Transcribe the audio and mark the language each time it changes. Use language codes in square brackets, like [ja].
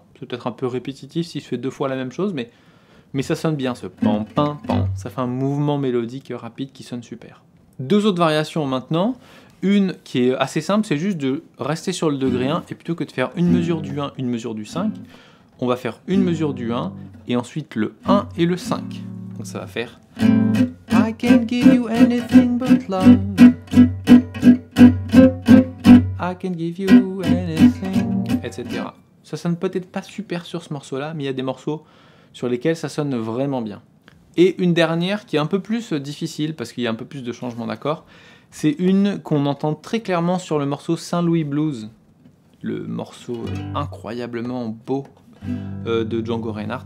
[fr] peut-être un peu répétitif si je fais deux fois la même chose, mais ça sonne bien ce pan pan pan. Ça fait un mouvement mélodique rapide qui sonne super. Deux autres variations maintenant. Une qui est assez simple, c'est juste de rester sur le degré 1 et plutôt que de faire une mesure du 1, une mesure du 5, on va faire une mesure du 1 et ensuite le 1 et le 5. Donc ça va faire... [en] I can't give you anything but love. I can give you anything, etc. [fr] Ça sonne peut-être pas super sur ce morceau-là, mais il y a des morceaux sur lesquels ça sonne vraiment bien. Et une dernière qui est un peu plus difficile, parce qu'il y a un peu plus de changement d'accord, c'est une qu'on entend très clairement sur le morceau Saint Louis Blues, le morceau incroyablement beau de Django Reinhardt.